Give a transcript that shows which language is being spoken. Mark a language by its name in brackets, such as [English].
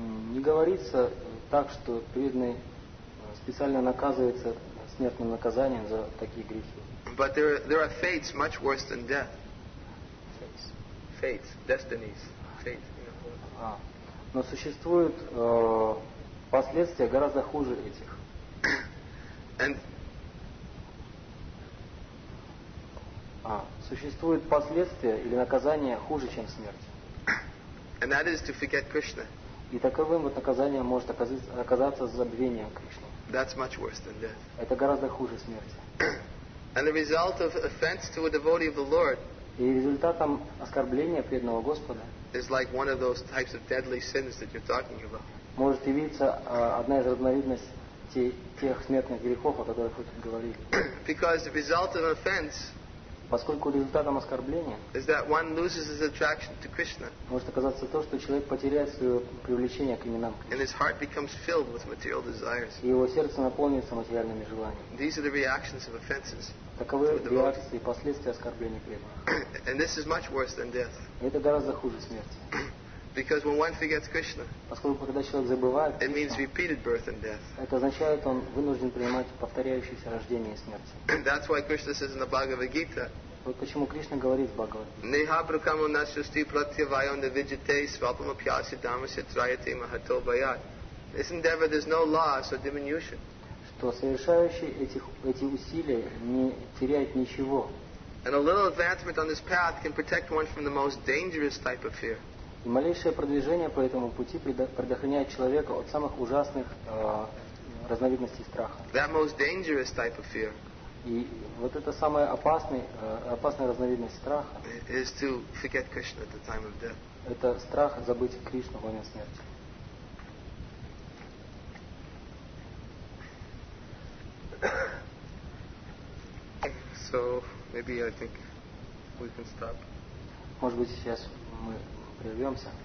[Russian] Не говорится так, что преданный специально наказывается смертным наказанием за такие грехи. [English] But there are fates much worse than death. Fates, destinies, fate. [Russian] Но существуют последствия гораздо хуже этих. Существуют последствия или наказания хуже, чем смерть. [English] And that is to forget Krishna. [Russian] И таковым вот наказанием может оказаться забвение Кришны. [English] That's much worse than death. [Russian] Это гораздо хуже смерти. [English] And the result of offense to a devotee of the Lord. [Russian] И результатом оскорбления преданного Господа. [English] Is like one of those types of deadly sins that you're talking about. [Russian] Может явиться одна из разновидностей тех смертных грехов, о которых вы тут говорили. [English] Because the result of offense. [Russian] Поскольку результатом оскорбления [English] is that one loses his attraction to Krishna. [Russian] Может оказаться то, что человек потеряет свое привлечение к именам Кришны. [English] And his heart becomes filled with material desires. [Russian] И его сердце наполнится материальными желаниями. [English] These are the reactions of offenses. [Russian] Таковы реакции и последствия оскорбления преданных. [English] And this is much worse than death. [Russian] Это гораздо хуже смерти. [English] Because when one forgets Krishna, [Russian] поскольку когда человек забывает Кришну, [English] it means repeated birth and death. [Russian] Это означает, он вынужден принимать повторяющиеся рождения и смерти. [English] That's why Krishna says in the Bhagavad Gita. [Russian] Вот почему Кришна говорит в Бхагавад-гите. [Sanskrit] Neha prakamo nasyasti pratyavayon vijite svapama pyasi dhamasya trayate mahato vayat. [English] This endeavor, there's no loss or diminution. [Russian] Что совершающий эти усилия не теряет ничего. [English] And a little advancement on this path can protect one from the most dangerous type of fear. [Russian] И малейшее продвижение по этому пути предохраняет человека от самых ужасных разновидностей страха. [English] That most dangerous type of fear. [Russian] И вот это самая опасная разновидность страха. [English] Is to forget Krishna at the time of death. [Russian] Это страх забыть Кришну во время смерти. [English] So maybe I think we can stop. [Russian] Может быть, сейчас мы прервемся.